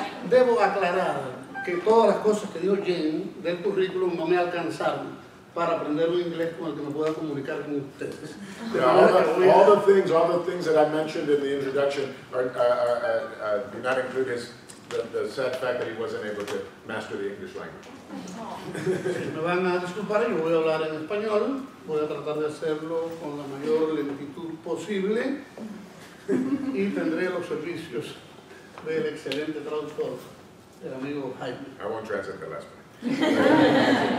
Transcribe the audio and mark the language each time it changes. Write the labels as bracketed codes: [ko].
[es] Debo aclarar que todas las cosas que dio Jen del currículum no me alcanzaron para aprender un inglés con el que me pueda comunicar con ustedes. [en] All the things that I mentioned in the introduction do not include the sad fact that he wasn't able to master the English language. [es] Me van a disculpar, yo voy a hablar en español, voy a tratar de hacerlo con la mayor lentitud posible y tendré los servicios del excelente traductor. [en] I won't translate the last one.